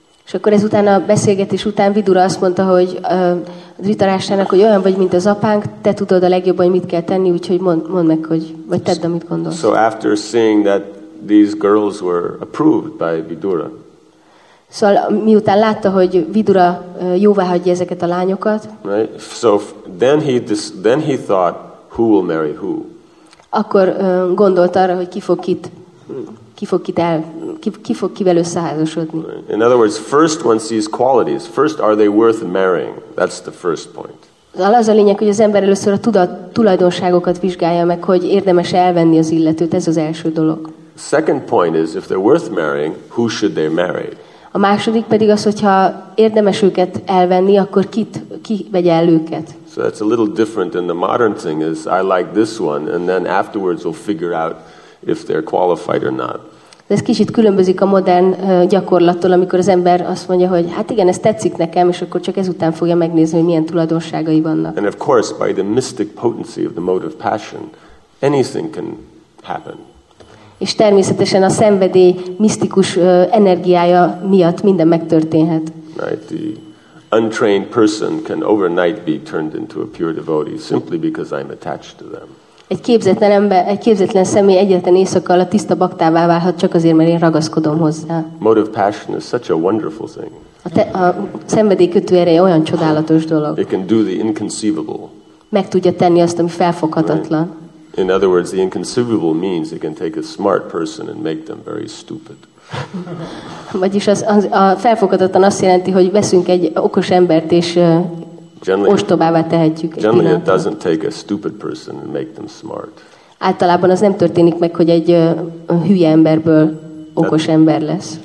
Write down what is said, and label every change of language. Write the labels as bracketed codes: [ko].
[hu] És akkor ezután a beszélgetés után Vidura azt mondta, hogy Dhritarashtrának, hogy olyan vagy, mint az apánk, te tudod a legjobban, hogy mit kell tenni, úgyhogy mondd meg, hogy vagy tedd, amit gondolsz. [en] So after seeing that these girls were approved by Vidura. [hu] Szóval miután látta, hogy Vidura jóvá hagyja ezeket a lányokat. [en] Right? So then he thought, who will marry who? [hu] Akkor gondolt arra, hogy ki fog kivel összeházasodni. [en] In other words, first one sees qualities. First, are they worth marrying? That's the first point. [hu] Az a lényeg, hogy az ember először a tulajdonságokat vizsgálja meg, hogy érdemes elvenni az illetőt. Ez az első dolog. [en] Second point is, if they're worth marrying, who should they marry? [hu] A második pedig az, hogyha érdemes őket elvenni, akkor ki vegye el őket. [en] So that's a little different than the modern thing is, I like this one, and then afterwards we'll figure out if they're qualified or not. [hu] Ez kicsit különbözik a modern gyakorlattól, amikor az ember azt mondja, hogy hát igen, ez tetszik nekem, és akkor csak ezután fogja megnézni, hogy milyen tulajdonságai vannak. [en] And of course, by the mystic potency of the mode of passion, anything can happen. [hu] És természetesen a szenvedély misztikus energiája miatt minden megtörténhet. [en] Right, the untrained person can overnight be turned into a pure devotee simply because I'm attached to them. [hu] Egy képzetlen ember, egy képzetlen személy egyetlen éjszakkal a tiszta baktává válhat csak azért, mert én ragaszkodom hozzá. [en] Motive passion is such a wonderful thing. [hu] A szenvedélykötő ereje olyan csodálatos dolog. [en] It can do the inconceivable. [hu] Meg tudja tenni azt, ami felfoghatatlan. [en] Right. In other words, the inconceivable means it can take a smart person and make them very stupid. [hu] Vagyis a felfoghatatlan azt jelenti, hogy veszünk egy okos embert és ostobává tehetjük. [en] Generally it doesn't take a stupid person and make them smart. [hu] Általában az nem történik meg, hogy egy hülye emberből okos ember lesz.